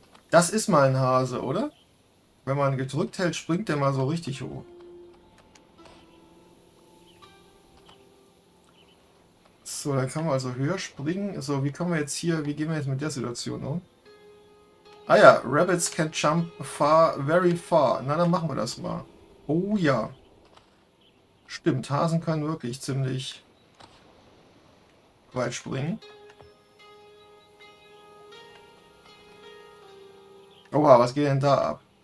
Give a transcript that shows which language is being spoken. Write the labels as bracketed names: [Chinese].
[German] Das ist mal ein Hase, oder? Wenn man gedrückt hält, springt der mal so richtig hoch. So, dann kann man also höher springen. So, wie gehen wir jetzt mit der Situation um? [English] Ah ja, Rabbits can jump far, very far. [German] Na, dann machen wir das mal. Oh ja. Stimmt, Hasen können wirklich ziemlich weit springen. Oha, was geht denn da ab?